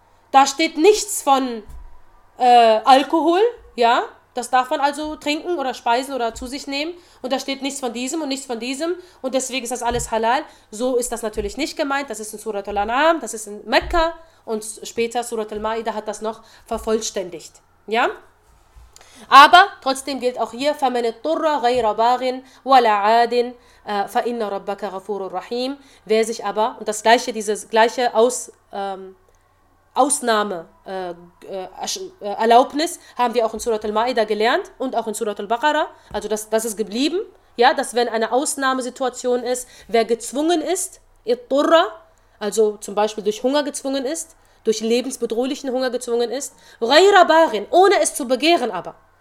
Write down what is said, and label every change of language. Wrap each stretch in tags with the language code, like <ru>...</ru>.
<de>Da steht nichts von Alkohol, ja, das darf man also trinken oder speisen oder zu sich nehmen. Und da steht nichts von diesem und nichts von diesem. Und deswegen ist das alles halal. So ist das natürlich nicht gemeint. Das ist in Surat al-An'am, das ist in Mekka. Und später, Surat al-Ma'idah hat das noch vervollständigt. Ja? Aber trotzdem gilt auch hier,</de> <ar>فَمَنِ اضْطُرَّ غَيْرَ بَاغٍ وَلَا عَادٍ فَإِنَّ رَبَّكَ غَفُورٌ رَحِيمٌ.</ar> <de>Wer sich aber, und das gleiche, diese gleiche Erlaubnis haben wir auch in Surat al-Ma'idah gelernt und auch in Surat al-Baqarah. Also das ist geblieben, ja, dass wenn eine Ausnahmesituation ist, wer gezwungen ist, اضْطُرَّ, also zum Beispiel durch Hunger gezwungen ist, durch lebensbedrohlichen Hunger gezwungen ist, ghayra barin, ohne es zu begehren aber.</de>